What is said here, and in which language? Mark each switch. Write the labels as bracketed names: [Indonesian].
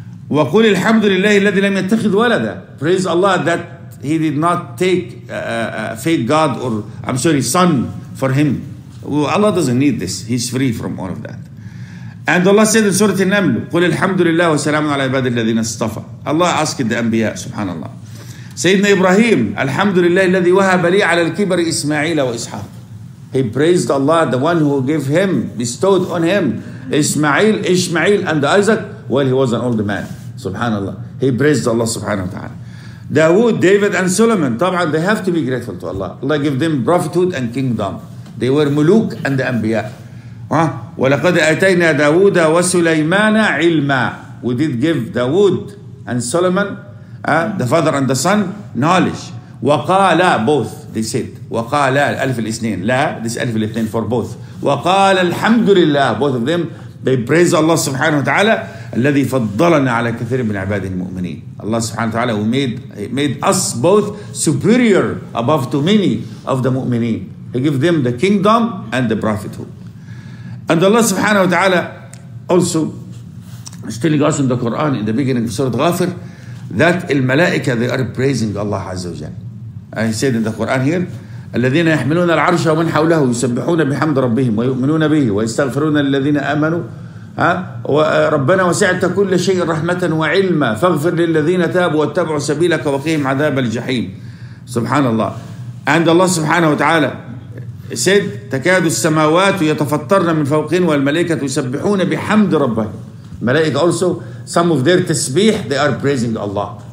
[Arabic] وقل الحمد لله الذي لم يتخذ ولدا [English] Praise Allah that he did not take a fake God or I'm sorry son for him. Well, Allah doesn't need this. He's free from all of that. And Allah said in Surah An-Naml, [Arabic] قل الحمد لله وسلام على عباد الذين اصطفى. [English] Allah asked the Anbiya, سبحان الله. [Arabic] Sayyidina Ibrahim, الحمد لله الذي وهب لي على الكبر إسماعيل وإسحاق. [English] He praised Allah, the one who gave him, bestowed on him, Ishmael and Isaac, while he was an old man. Subhanallah. He praised Allah subhanahu wa ta'ala. Dawood, David and Solomon, طبعاً, they have to be grateful to Allah. Allah gave them prophethood and kingdom. They were muluk and the anbiya. [Arabic] وَلَقَدْ أَتَيْنَا دَاوُودَ وَسُلَيْمَانَ عِلْمًا. [English] We did give Dawood and Solomon, the father and the son, knowledge. [Arabic] وَقَالَ, [English] both, they said. [Arabic] وَقَالَ, أَلْفِ الْإِثْنِينَ. لَا, this أَلْفِ الْإِثْنِينَ [English] for both. [Arabic] وَقَالَ الْحَمْدُ لِلَّهِ, [English] both of them, they praise Allah subhanahu wa ta'ala, [Arabic] الَّذِي فَضَّلَنَا عَلَى كَثِيرٍ مِنْ عِبَادِهِ الْمُؤْمِنِينَ. [English] Allah subhanahu wa ta'ala, who made us both superior above too many of the mu'mineen. He gave them the kingdom and the prophethood. And Allah subhanahu wa ta'ala also is telling us in the Quran, in the beginning of Surah Ghafir, that الملائكة, they are praising Allah Azza wa Jalla. [Arabic] He said in the Quran here, الذين يحملون العرش ومن حوله يسبحون بحمد ربهم ويؤمنون به ويستغفرون للذين آمنوا ربنا وسعت كل شيء رحمة وعلما فاغفر للذين تابوا واتبعوا سبيلك وقهم عذاب الجحيم. سبحان الله. [English] And Allah subhanahu wa ta'ala said, [Arabic] تكاد السماوات يتفطرن من فوقهن والملائكة يسبحون بحمد ربهم. [English] Malaika also, some of their tasbih, they are praising Allah.